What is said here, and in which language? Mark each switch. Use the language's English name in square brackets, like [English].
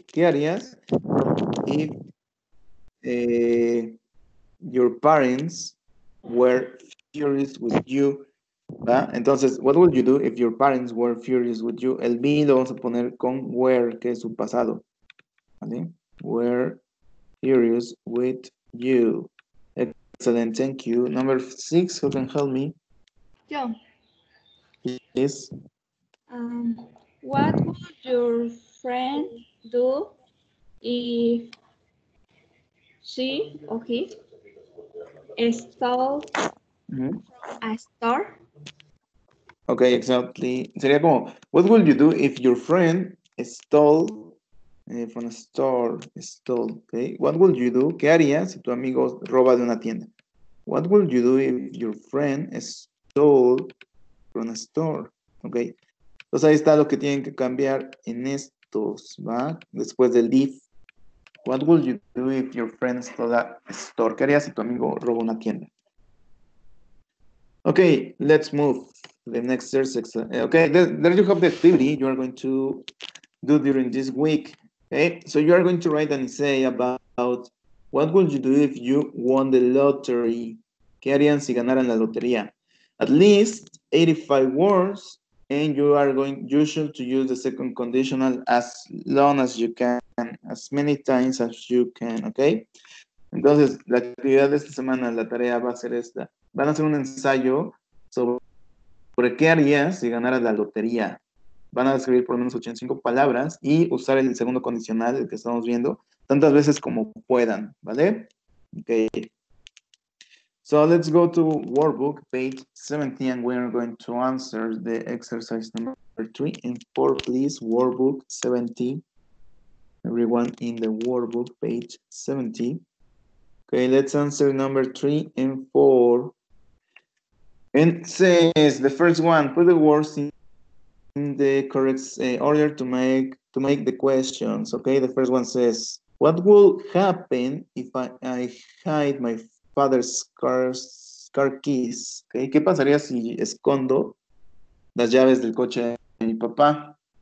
[Spanish] ¿Qué harías [English] if your parents were furious with you? [Spanish] ¿Va? Entonces, [English] what would you do if your parents were furious with you? [Spanish] El be lo vamos a poner con were, que es su pasado. ¿Vale? [English] Were furious with you. Excellent, thank you. Number six, who can help me? [Spanish] Yo. [English] Yes. What would your friend do if she or he stole a store? Okay, exactly. [Spanish] Sería como, [English] what would you do if your friend stole from a store? Stole, okay. What would you do? [Spanish] ¿Qué harías si tu amigo roba de una tienda? [English] What would you do if your friend stole from a store? Okay. [Spanish] Entonces ahí está lo que tienen que cambiar en estos, ¿va? Después del [English] if. What would you do if your friend stole a store? [Spanish] ¿Qué harías si tu amigo robó una tienda? [English] Okay, let's move the next exercise. Okay, there you have the activity you are going to do during this week. Okay, so you are going to write an essay about what would you do if you won the lottery? [Spanish] ¿Qué harían si ganaran la lotería? [English] At least 85 words. And you are going, you should to use the second conditional as long as you can, as many times as you can, okay? [Spanish] Entonces, la actividad de esta semana, la tarea va a ser esta. Van a hacer un ensayo sobre qué harías si ganaras la lotería. Van a escribir por lo menos 85 palabras y usar el segundo condicional, el que estamos viendo, tantas veces como puedan, ¿vale? [English] Okay. So let's go to workbook page 17 and we are going to answer the exercise number 3 and 4, please. Workbook 17. Everyone in the workbook page 17. Okay, let's answer number 3 and 4. And says the first one, put the words in the correct order to make the questions. Okay, the first one says, what will happen if I hide my father's car keys? Okay, [Spanish] ¿qué pasaría si escondo las llaves del coche de mi papá?